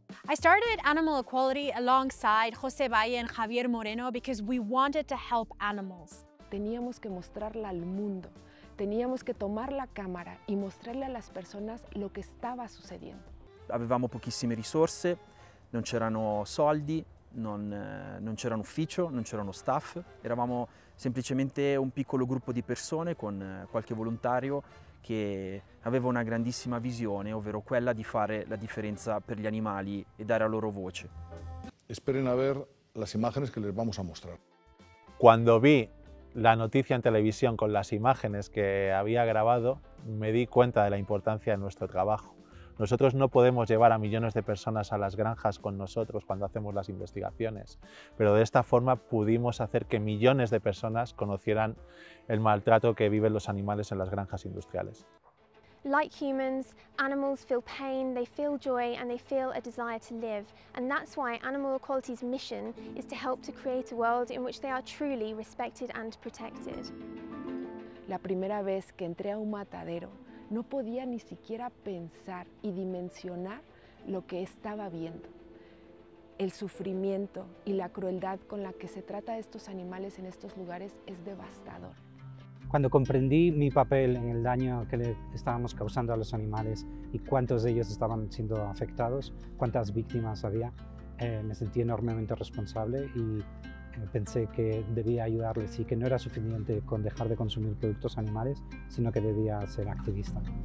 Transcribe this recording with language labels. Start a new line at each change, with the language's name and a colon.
English: I started Animal Equality alongside José Valle and Javier Moreno because we wanted to help animals.
Spanish: Teníamos que mostrarla al mundo. Teníamos que tomar la cámara y mostrarle a las personas lo que estaba sucediendo.
Italian: Avevamo pochissime risorse, non c'erano soldi, non c'era un ufficio, non c'erano staff. Eravamo semplicemente un piccolo gruppo di persone con qualche volontario che aveva una grandissima visione, ovvero quella di fare la differenza per gli animali e dare a loro voce.
Spanish: Esperen a ver las imágenes que les vamos a mostrar.
Italian: Quando vi la notizia in televisione con le immagini che aveva grabato,
Spanish: mi di cuenta
Italian: della importanza del nostro lavoro.
Spanish: Nosotros no podemos llevar a millones de personas a las granjas con nosotros cuando hacemos las investigaciones, pero de esta forma pudimos hacer que millones de personas conocieran el maltrato que viven los animales en las granjas industriales.
English: Like humans, animals feel pain, they feel joy, and they feel a desire to live. And that's why Animal Equality's mission is to help to create a world in which they are truly respected and protected.
Spanish: La primera vez que entré a un matadero, no podía ni siquiera pensar y dimensionar lo que estaba viendo. El sufrimiento y la crueldad con la que se trata estos animales en estos lugares es devastador. Cuando comprendí mi papel en el daño que le estábamos causando a los animales y cuántos de ellos estaban siendo afectados, cuántas víctimas había, me sentí enormemente responsable y pensé que debía ayudarles y que no era suficiente con dejar de consumir productos animales, sino que debía ser activista.